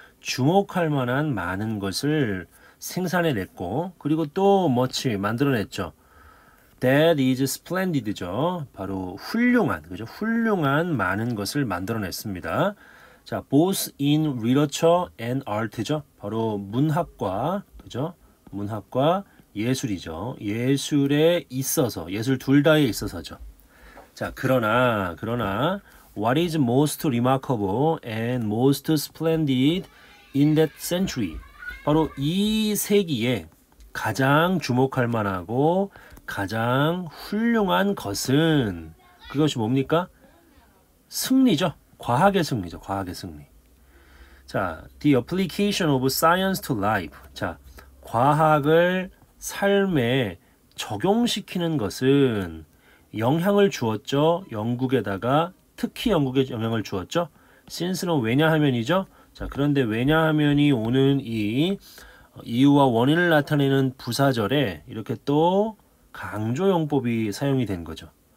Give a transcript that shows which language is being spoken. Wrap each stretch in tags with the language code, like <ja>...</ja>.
<ko>주목할 만한 많은 것을 생산해냈고 그리고 또 much, 만들어냈죠.</ko> <en>That is splendid</en> <ko>죠. 바로 훌륭한, 그죠? 훌륭한 많은 것을 만들어냈습니다.</ko> <en>자, both in literature and art죠.</en> <ko>바로 문학과, 그죠? 문학과 예술이죠. 예술에 있어서, 예술 둘 다에 있어서죠. 자, 그러나,</ko> <en>what is most remarkable and most splendid in that century?</en> <ko>바로 이 세기에 가장 주목할 만하고 가장 훌륭한 것은 그것이 뭡니까? 승리죠. 과학의 승리죠. 과학의 승리.</ko> <en>자, the application of science to life.</en> <ko>자, 과학을 삶에 적용시키는 것은 영향을 주었죠. 영국에다가 특히 영국에 영향을 주었죠. since는 왜냐하면이죠. 자, 그런데 왜냐하면이 오는 이 이유와 원인을 나타내는 부사절에 이렇게 또 강조용법이 사용이 된 거죠.</ko>